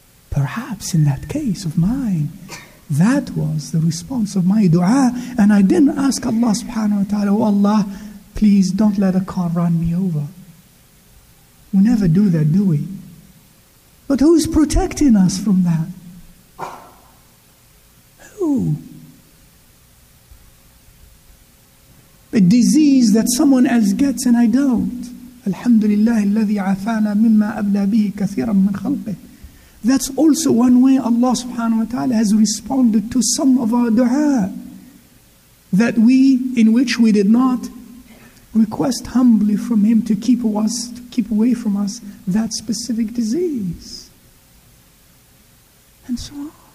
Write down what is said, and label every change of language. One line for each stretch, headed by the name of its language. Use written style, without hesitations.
English: Perhaps in that case of mine, that was the response of my dua, and I didn't ask Allah subhanahu wa ta'ala, oh Allah, please don't let a car run me over. We never do that, do we? But who's protecting us from that? Who? A disease that someone else gets and I don't.
Arabic: Alhamdulillah, الذي عافانا مما أبلى به كثيرا من خلقه.
English: That's also one way Allah subhanahu wa ta'ala has responded to some of our dua that we, in which we did not request humbly from Him to keep us, to keep away from us that specific disease. And so on.